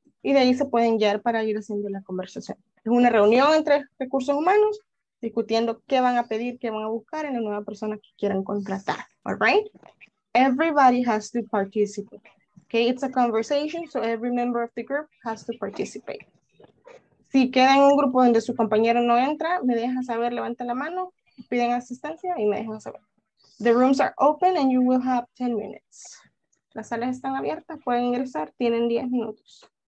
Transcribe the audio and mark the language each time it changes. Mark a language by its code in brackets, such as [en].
[es] Y de ahí se pueden guiar para ir haciendo la conversación. Es una reunión entre recursos humanos, discutiendo qué van a pedir, qué van a buscar en la nueva persona que quieran contratar, [en] all right? Everybody has to participate, okay? It's a conversation, so every member of the group has to participate. [es] Si queda en un grupo donde su compañero no entra, me deja saber, levanta la mano, piden asistencia y me dejan saber. [en] The rooms are open and you will have 10 minutes. [es] Las salas están abiertas, pueden ingresar, tienen 10 minutos.